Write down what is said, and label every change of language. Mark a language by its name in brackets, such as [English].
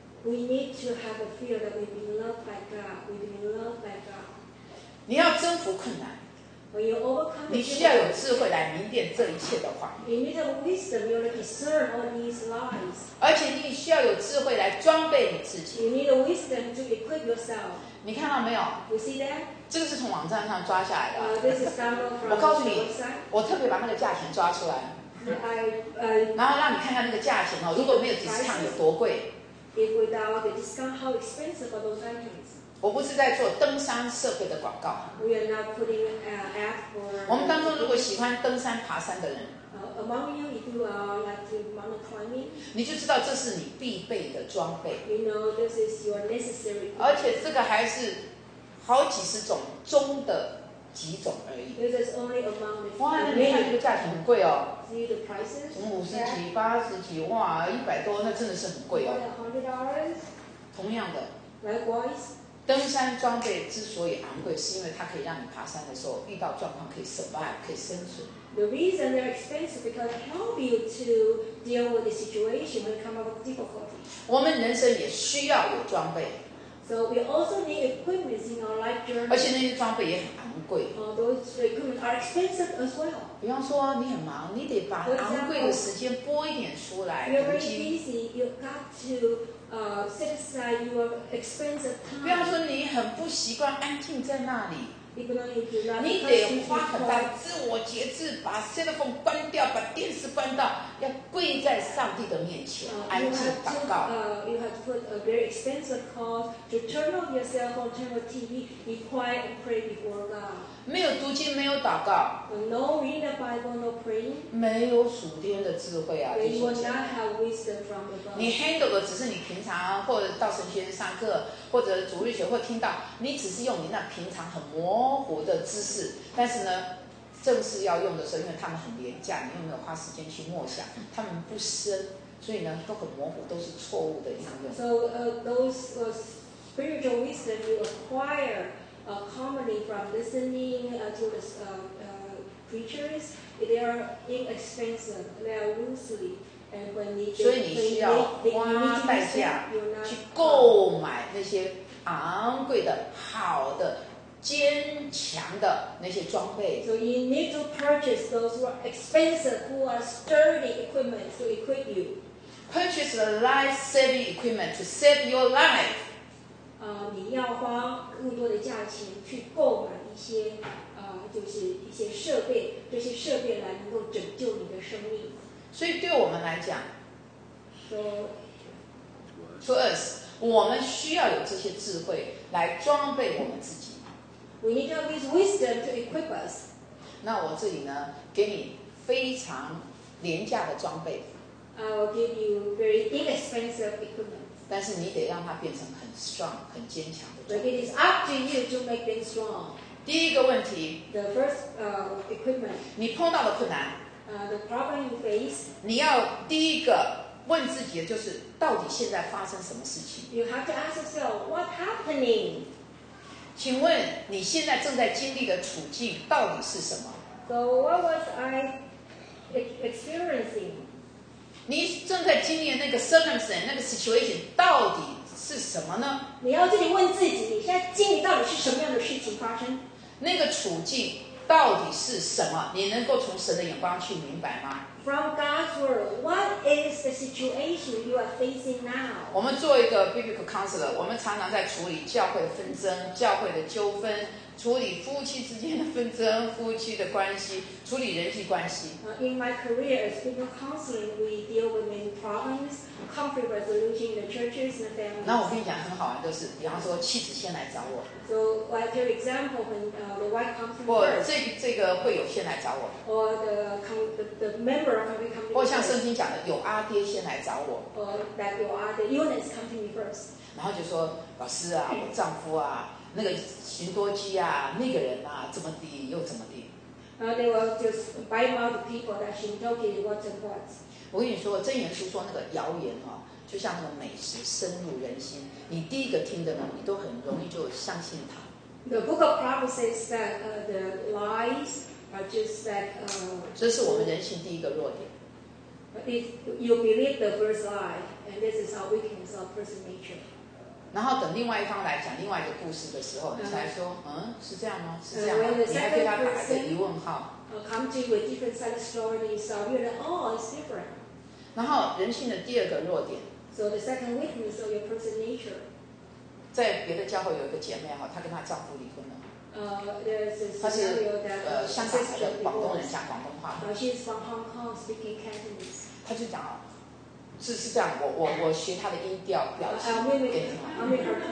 [English] We need to have a fear that we've been loved by God We've been loved by God [Chinese] 你要征服困难 [English] When you overcome the difficulty, [Chinese] 你需要有智慧来明辨这一切的话。 [English] You need a wisdom, you need to discern all these lies. [Chinese] 而且你需要有智慧来装备你自己。 [English] You need a wisdom to equip yourself. [Chinese] 你看到没有？ [English] You see that? [Chinese] 这个是从网站上抓下来的。 [English] This is sample from. [Chinese] 我告诉你，我特别把那个价钱抓出来。然后让你看看那个价钱哦，如果没有discount有多贵。 [English] If without the discount, how expensive are those items? [Chinese] 我不是在做登山设备的广告。 [English] We are not putting ads for. [Chinese] 我们当中如果喜欢登山爬山的人 [English] ，Among you, if you are like mountain climbing, [Chinese] 你就知道这是你必备的装备。 [English] You know this is your necessary. [Chinese] 而且这个还是好几十种中的几种而已。 [English] This is only among the. [Chinese] 哇，那你看这个价钱很贵哦。 [English] See the prices. [Chinese] 从五十几、八十几，哇，一百多，那真的是很贵哦。 [English] $100. [Chinese] 同样的。 [English] Likewise. [Chinese] 登山装备之所以昂贵，是因为它可以让你爬山的时候遇到状况可以 survive， 可以生存。 [English] The reason they're expensive because they help you to deal with the situation when you come up with difficulty. [Chinese] 我们人生也需要有装备。 [English] So we also need equipment in our life journey. [Chinese] 而且那些装备也很昂贵。 [English] Those equipment are expensive as well. [Chinese] 比方说你很忙，你得把昂贵的时间拨一点出来。 [English] You're very busy. You've got to. Set aside your expensive time. [Chinese] 比方说你很不习惯安静在那里 [English] if you're not, [Chinese] 你得花很大自我节制把 cell phone 关掉把电视关掉要跪在上帝的面前安静祷告 [English] you have to put a very expensive cost to turn off your cell phone turn off TV be quiet and pray before God [Chinese] 没有读经，没有祷告。 [English] No reading the Bible, no praying. [Chinese] 没有属天的智慧啊！ [English] You will not have wisdom from above. [Chinese] 你 handle 的只是你平常或者到神学院上课，或者主日学会听到，你只是用你那平常很模糊的知识。但是呢，正式要用的时候，因为他们很廉价，你又没有花时间去默想，他们不深，所以呢都很模糊，都是错误的应用。 [English] So those spiritual wisdom you acquire. Commonly from listening to the preachers, they are inexpensive, they are loosely, and when they So you need to purchase those who are expensive, who are sturdy equipment to equip you. Purchase the life-saving equipment to save your life. [Chinese] 你要花更多的价钱去购买一些就是一些设备这些设备来能够拯救你的生命所以对我们来讲 [English] so, to us [Chinese] 我们需要有这些智慧来装备我们自己 [English] we need to have this wisdom to equip us [Chinese] 那我这里呢给你非常廉价的装备 [English] I will give you very inexpensive equipment [Chinese] 但是你得让它变成很 strong 很坚强的 [English] But it is up to you to make them strong [Chinese] 第一个问题 [English] The first equipment [Chinese] 你碰到的困难 [English] The problem you face [Chinese] 你要第一个问自己的就是到底现在发生什么事情 [English] You have to ask yourself What's happening [Chinese] 请问你现在正在经历的处境到底是什么 [English] So what was I experiencing? [Chinese] 你正在经历的那个 circumstance 那个 situation 到底是什么呢你要自己问自己你现在经历到底是什么样的事情发生那个处境到底是什么你能够从神的眼光去明白吗 [English] From God's word What is the situation you are facing now [Chinese] 我们做一个 biblical counselor 我们常常在处理教会的纷争教会的纠纷处理夫妻之间的纷争夫妻的关系处理人际关系 [English] In my career as biblical counseling we deal with many problems conflict resolution in the churches and the families [Chinese] 那我跟你讲很好玩就是比方说妻子先来找我 [English] So I tell you example when the wife comes to me [Chinese] 或这个会有先来找我 [English] Or the member of my company [Chinese] 或像圣经讲的有阿爹先来找我 [English] Or that your other units come to me first [Chinese] 然后就说老师啊我丈夫啊那个行多基啊，那个人啊，怎么地又怎么地。 [English] They were just by mouth people that she talked to what and what. [Chinese] 我跟你说，真言书说那个谣言哦，就像那个美食深入人心。你第一个听的呢，你都很容易就相信它。 [English] The book of Proverbs says that the lies are just that. [Chinese] 这是我们人性第一个弱点。 [English] If you believe the first lie, and this is our weakness, our first nature. [Chinese] 然后等另外一方来讲另外一个故事的时候，你才说，嗯，是这样吗？是这样吗？你还对他打一个疑问号。 [English] Come to you with different set of stories, so you know, oh, it's different. [Chinese] 然后人性的第二个弱点。 [English] So the second weakness of your person nature. [Chinese] 在别的教会有一个姐妹哈，她跟她丈夫离婚了。 [English] There's a scenario that she's from Hong Kong, speaking Cantonese. [Chinese] 她就讲哦。是这样，我学他的音调表情给你听。